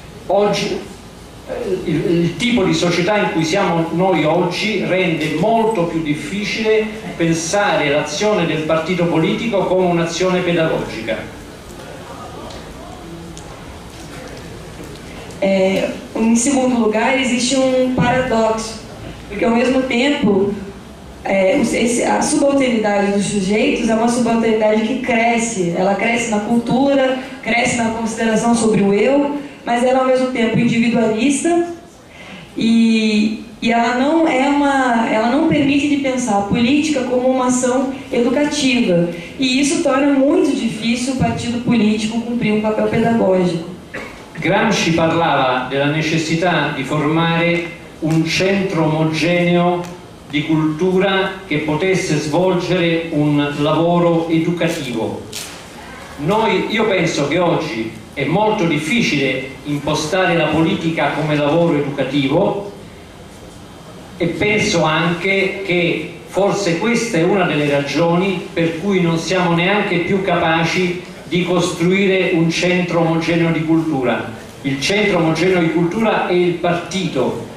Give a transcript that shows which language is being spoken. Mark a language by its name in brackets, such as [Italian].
[Italian] Oggi il tipo di società in cui siamo noi oggi rende molto più difficile pensare l'azione del partito politico come un'azione pedagogica. [Portuguese] Em segundo lugar, existe um paradoxo, porque ao mesmo tempo a subalternidade dos sujeitos é uma subalternidade que cresce, ela cresce na cultura, cresce na consideração sobre o eu, mas ela ao mesmo tempo individualista e ela não permite de pensar a política como uma ação educativa e isso torna muito difícil o partido político cumprir um papel pedagógico. [Italian] Gramsci parlava della necessità di formare un centro omogeneo di cultura che potesse svolgere un lavoro educativo. Io penso che oggi è molto difficile impostare la politica come lavoro educativo e penso anche che forse questa è una delle ragioni per cui non siamo neanche più capaci di costruire un centro omogeneo di cultura. Il centro omogeneo di cultura è il partito